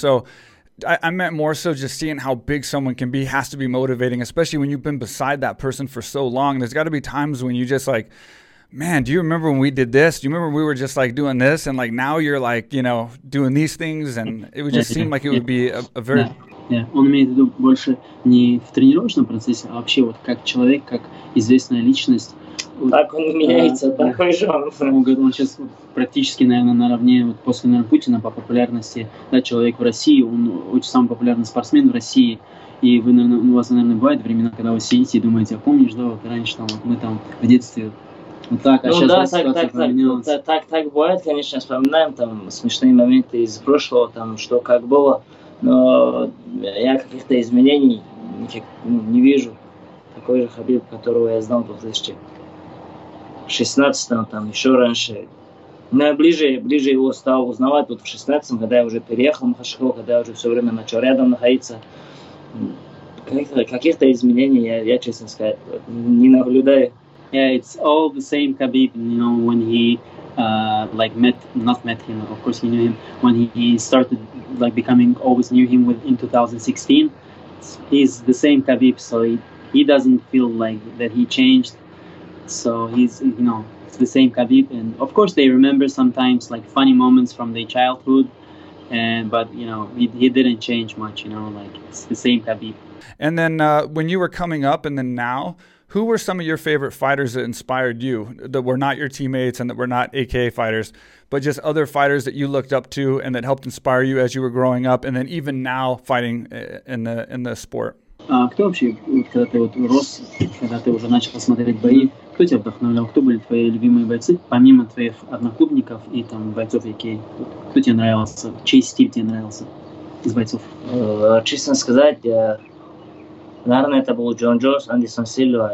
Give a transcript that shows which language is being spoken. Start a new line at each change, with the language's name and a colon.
English: So I meant more so just seeing how big someone can be has to be motivating, especially when you've been beside that person for so long. There's got to be times when you just like, man, do you remember when we did this? Do you remember when we were just like doing this? And like now you're like, you know, doing these things. And it would just seem like it would be a very...
Russian: Yeah, он имеет в виду больше не в тренировочном процессе, а вообще вот как человек, как известная личность. Так он меняется, такой же он. Он говорит, он сейчас практически, наверное, наравне вот после, наверное, Путина по популярности, да, человек в России, он очень самый популярный спортсмен в России. И вы, наверное, у вас, наверное, бывают времена, когда вы сидите и думаете, а помнишь, да, вот раньше там, вот мы там в детстве вот так, а ну, сейчас да, так, ситуация так, поменялась. Так, так бывает, конечно, вспоминаем там смешные моменты из прошлого, там, что как было. Но я каких-то изменений не вижу. Такой же Хабиб, которого я знал в 2016-м, там, еще раньше. Но я ближе его стал узнавать вот в 2016-м, когда я уже переехал в Махачкалу, когда я уже все время начал рядом находиться. Каких-то изменений я честно сказать, не наблюдаю.
English: Yeah, it's all the same Khabib, you know, when he met him, of course he knew him, when he started like becoming always near him in 2016, he's the same Khabib, so he doesn't feel like that he changed, so he's, you know, it's the same Khabib, and of course they remember sometimes like funny moments from their childhood, but you know, he didn't change much, you know, like it's the same Khabib. And then when you were coming up and then now, who were some of your favorite fighters that inspired you, that were not your teammates and that were not AKA fighters, but just other fighters that you looked up to and that helped inspire you as you were growing up and then even now fighting in the sport?
Russian: Кто вообще, когда ты вот рос, когда ты уже начал смотреть бои, кто тебя вдохновлял, кто были твои любимые бойцы, помимо твоих одноклубников и там бойцов AKA? Кто тебе нравился, чей стиль тебе нравился из бойцов? Честно сказать, наверное, это был Джон Джонс, Андерсон Сильва.